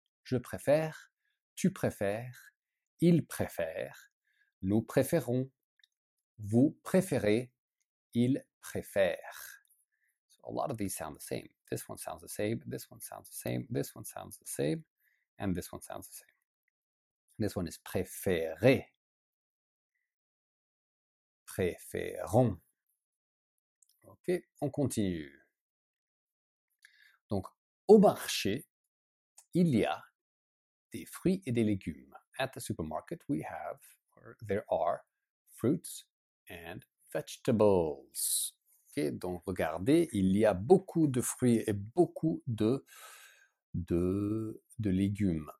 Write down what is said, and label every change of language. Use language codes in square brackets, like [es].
[fr] Je préfère, tu préfères, il préfère, nous préférons, vous préférez, il préfère. [en] So a lot of these sound the same. This one sounds the same, this one sounds the same, this one sounds the same, and this one sounds the same. This one is préféré. [fr] Préférons. Ok, on continue. Donc, au marché, il y a des fruits et des légumes. [en] At the supermarket, we have, or there are, fruits and vegetables. [fr] Okay, donc regardez, il y a beaucoup de fruits et beaucoup de légumes.